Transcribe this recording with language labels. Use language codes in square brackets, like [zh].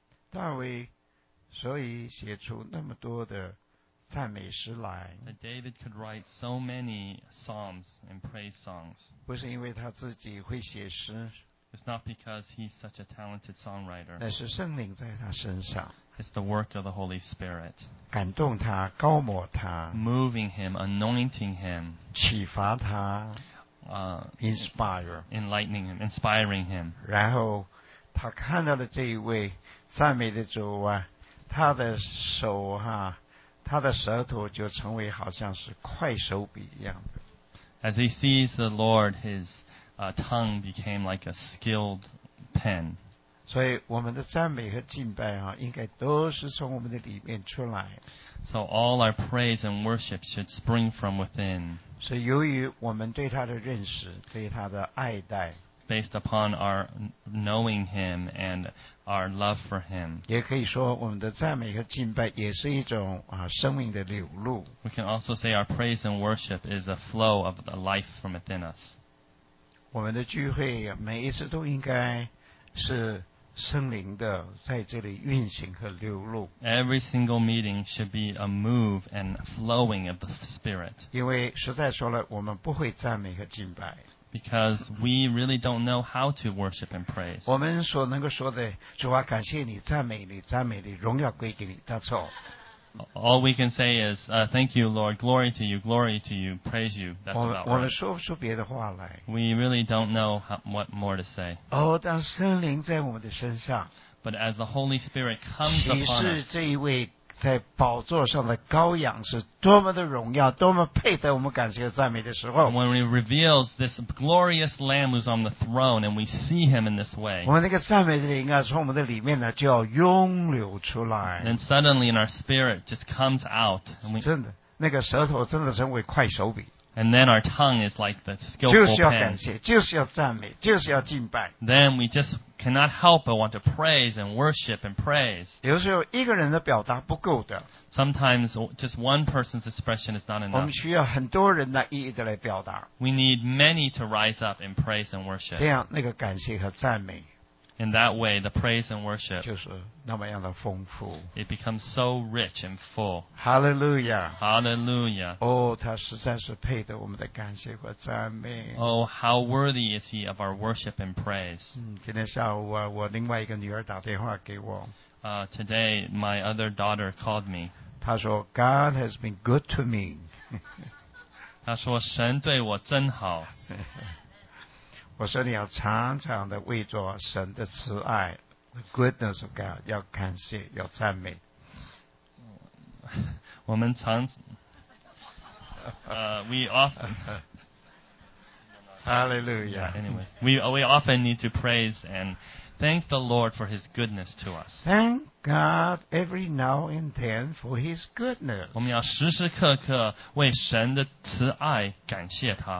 [zh] 大卫所以写出那么多的赞美诗来。 [en] That David could write so many psalms and praise songs. [zh] 不是因为他自己会写诗。 [en] It's not because he's such a talented songwriter. [zh] 乃是圣灵在他身上。 [en] It's the work of the Holy Spirit. [zh] 感动他，膏抹他。 [en] Moving him, anointing him. [zh] 启发他。 [en] Inspire. Enlightening him, inspiring him. [zh] 然后他看到了这一位赞美的主啊，他的手啊，他的舌头就成为好像是快手笔一样的。 [en] As he sees the Lord, his tongue became like a skilled pen. [zh] 所以我们的赞美和敬拜啊，应该都是从我们的里面出来。 [en] So all our praise and worship should spring from within. [zh] 所以由于我们对他的认识，对他的爱戴。 [en] Based upon our knowing him and our love for him. [zh] 也可以说我们的赞美和敬拜也是一种生命的流露。 [en] We can also say our praise and worship is a flow of the life from within us. [zh] 我们的聚会每一次都应该是圣灵的在这里运行和流露。 [en] Every single meeting should be a move and flowing of the Spirit. [zh] 因为实在说了，我们不会赞美和敬拜。 [en] Because we really don't know how to worship and praise. [zh] 我们所能够说的，主啊，感谢你，赞美你，赞美你，荣耀归给你。 [en] That's all. All we can say is, thank you, Lord. Glory to you, glory to you, praise you. That's about right. [zh] 我们说不出别的话来。 [en] We really don't know what more to say. [zh] 哦，当圣灵在我们的身上。 [en] But as the Holy Spirit comes upon us. [zh] 岂是这一位在宝座上的羔羊是多么的荣耀，多么配得我们感谢和赞美的时候。 [en] When he reveals this glorious Lamb who's on the throne, and we see him in this way, [zh] 我们那个赞美的灵啊，从我们的里面呢就要涌流出来。 [en] And suddenly, in our spirit, just comes out. [zh] 真的，那个舌头真的成为快手笔。 [en] And then our tongue is like the skillful pen. [zh] 就是要感谢，就是要赞美，就是要敬拜。 [en] Then we just cannot help but want to praise and worship and praise. [zh] 有时候一个人的表达不够的。 [en] Sometimes just one person's expression is not enough. [zh] 我们需要很多人来一一的来表达。 [en] We need many to rise up and praise and worship. [zh] 这样那个感谢和赞美。 [en] In that way, the praise and worship [zh] 就是那么样的丰富。 [en] It becomes so rich and full. Hallelujah! Hallelujah! [zh] Oh, 他实在是配得我们的感谢和赞美。 [en] Oh, how worthy is he of our worship and praise? [zh] 今天下午我另外一个女儿打电话给我。 [en] Today, my other daughter called me. [zh] 她说 [en] God has been good to me. [zh] 她说神对我真好。我说你要常常的为着神的慈爱 ， [en] the goodness of God， [zh] 要感谢，要赞美。我们常 [en] we often Hallelujah. Anyway, we often need to praise and thank the Lord for His goodness to us. Thank God every now and then for His goodness. [zh] 我们要时时刻刻为神的慈爱感谢他。